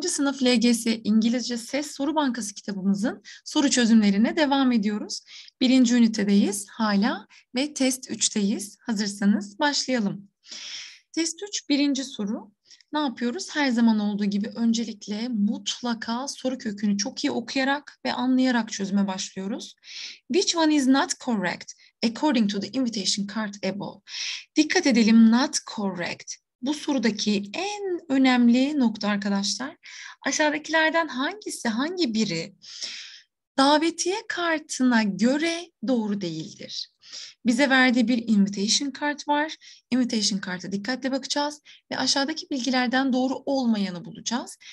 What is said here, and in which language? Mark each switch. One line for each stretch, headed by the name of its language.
Turkish: sınıf LGS İngilizce Ses Soru Bankası kitabımızın soru çözümlerine devam ediyoruz. 1. ünitedeyiz hala ve test 3'teyiz. Hazırsanız başlayalım. Test 3 birinci soru. Ne yapıyoruz? Her zaman olduğu gibi öncelikle mutlaka soru kökünü çok iyi okuyarak ve anlayarak çözüme başlıyoruz.
English: Which one is not correct according to the invitation card above?
Turkish: Dikkat edelim,
English: not correct.
Turkish: Bu sorudaki en önemli nokta arkadaşlar, aşağıdakilerden hangisi, hangi biri davetiye kartına göre doğru değildir? Bize verdiği bir invitation card var. Invitation card'a dikkatle bakacağız ve aşağıdaki bilgilerden doğru olmayanı bulacağız.